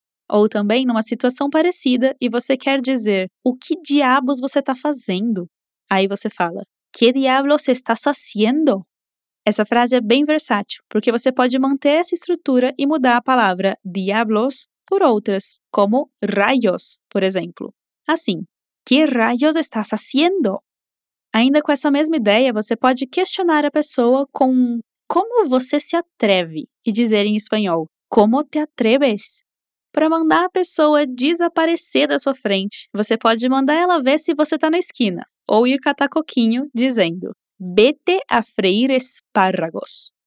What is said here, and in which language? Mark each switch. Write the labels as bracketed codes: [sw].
[pt] Ou também numa situação parecida e você quer dizer, o que diabos você está fazendo? Aí você fala, [es] ¿qué diablos estás haciendo? [pt] Essa frase é bem versátil, porque você pode manter essa estrutura e mudar a palavra diablos por outras, como rayos, por exemplo. Assim, [es] ¿qué rayos estás haciendo? [pt] Ainda com essa mesma ideia, você pode questionar a pessoa com como você se atreve e dizer em espanhol, [es] ¿cómo te atreves? [pt] Para mandar a pessoa desaparecer da sua frente, você pode mandar ela ver se você está na esquina, ou ir catar coquinho dizendo, [es] vete a freir espárragos.